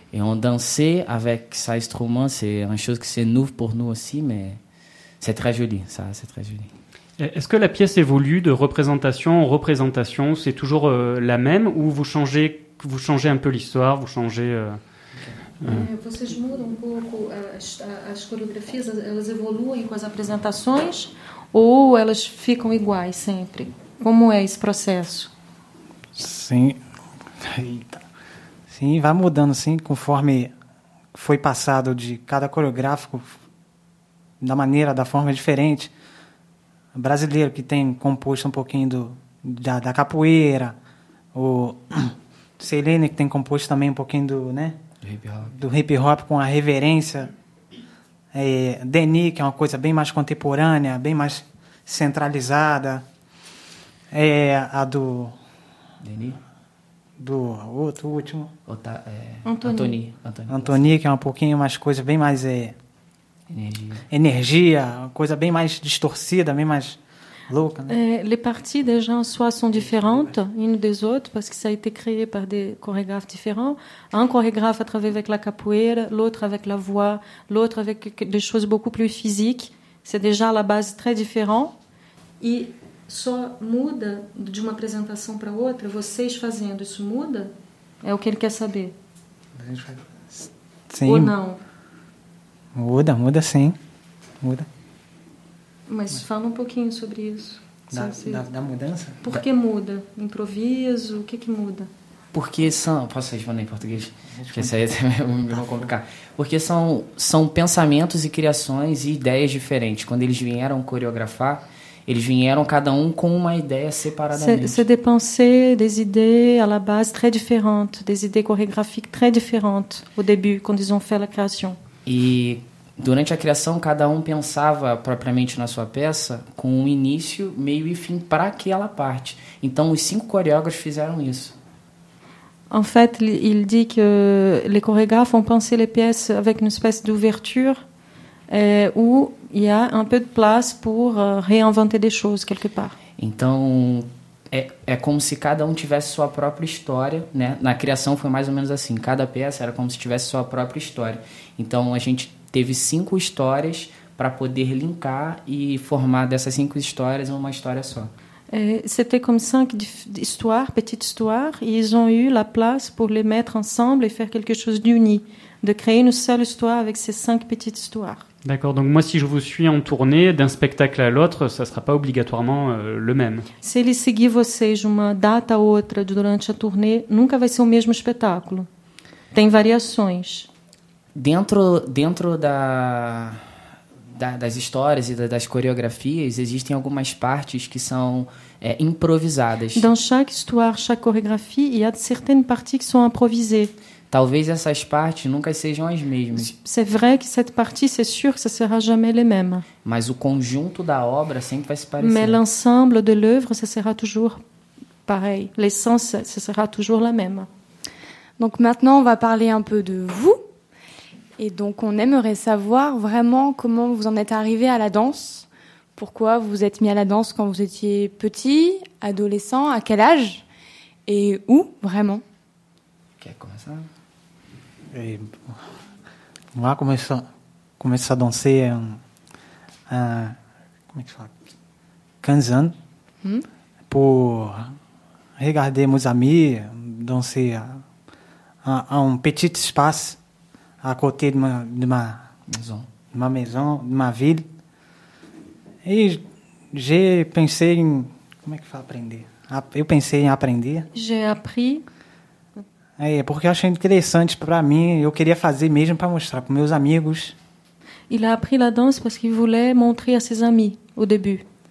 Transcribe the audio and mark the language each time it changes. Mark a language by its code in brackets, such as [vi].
[fr] Et on dansait avec ça, instrument, c'est une chose qui c'est nouveau pour nous aussi, mais c'est très joli, ça, c'est très joli. Est-ce que la pièce évolue de représentation en représentation? C'est toujours la même ou vous changez un peu l'histoire, vous changez... [pt] Vocês mudam um pouco as coreografias, elas evoluem com as apresentações ou elas ficam iguais sempre? Como é esse processo? Sim. Eita. Sim, vai mudando, sim, conforme foi passado de cada coreográfico, da maneira, da forma diferente. O brasileiro que tem composto um pouquinho da capoeira, o Selene que tem composto também um pouquinho do hip hop com a reverência. Denis, que é uma coisa bem mais contemporânea, bem mais centralizada. Antônio, que é um pouquinho mais coisa bem mais energia, coisa bem mais distorcida, bem mais louca, né? [fr] Les parties des gens soit sont différentes une des autres parce que ça a été créé par des chorégraphes différents, un chorégraphe a travaillé avec la capoeira, l'autre avec la voix, l'autre avec des choses beaucoup plus physiques, c'est déjà à la base très différent. [pt] Et só muda de uma apresentação para outra, vocês fazendo, isso muda? É o que ele quer saber. Sim. Ou não? Muda, muda sim. Muda. Mas fala um pouquinho sobre isso. Da mudança? Por que muda? Improviso? O que que muda? Porque são... Posso responder em português? Porque isso aí é meio complicado. Porque são pensamentos e criações e ideias diferentes. Quando eles vieram coreografar, eles vieram cada um com uma ideia separadamente. [fr] C'est des pensées, des idées à la base très différentes, des idées chorégraphiques très différentes au début, quand ils ont fait la création. [pt] E durante a criação, cada um pensava propriamente na sua peça com um início, meio e fim para aquela parte. Então, os 5 coreógrafos fizeram isso. [fr] En fait, il dit que les chorégraphes ont pensé les pièces avec une espèce d'ouverture. Où il y a un peu de place pour réinventer des choses quelque part. [pt] Então, é como se cada um tivesse sua própria história, né? Na criação foi mais ou menos assim, cada peça era como se tivesse sua própria história. Então, a gente teve 5 histórias para poder linkar e formar dessas 5 histórias uma história só. [fr] C'était comme 5 histoires, petites histoires, et ils ont eu la place pour les mettre ensemble et faire quelque chose d'uni, de créer une seule histoire avec ces 5 petites histoires. D'accord, donc moi si je vous suis en tournée d'un spectacle à l'autre, ça ne sera pas obligatoirement le même. [pt] Se ele seguir vocês de uma data à outra durante a turnê, nunca vai ser o mesmo espetáculo. Tem variações. Dentro das histórias e das coreografias, existem algumas partes que são improvisadas. [fr] Dans chaque histoire, chaque chorégraphie, il y a certaines parties qui sont improvisées. [pt] Talvez essas partes nunca sejam as mesmas. [fr] C'est vrai que cette partie, c'est sûr que ça sera jamais les mêmes. [pt] Mas o conjunto da obra sempre vai se parecer. [fr] Mais l'ensemble de l'œuvre, ça sera toujours pareil. L'essence, ce sera toujours la même. Donc maintenant, on va parler un peu de vous. Et donc, on aimerait savoir vraiment comment vous en êtes arrivé à la danse. Pourquoi vous vous êtes mis à la danse quand vous étiez petit, adolescent, à quel âge et où, vraiment? Ok, comment ça? Moi, commencé à danser à 15 ans pour regarder mes amis danser à un petit espace à côté de ma maison, de ma maison, de ma ville. Et j'ai pensé em... [pt] Como é que fala aprender? Eu pensei em aprender. [fr] J'ai appris. [pt] Porque eu achei interessante para mim. Eu queria fazer mesmo para mostrar para meus amigos. [fr] Il a appris la danse parce qu'il voulait montrer à ses amis au début.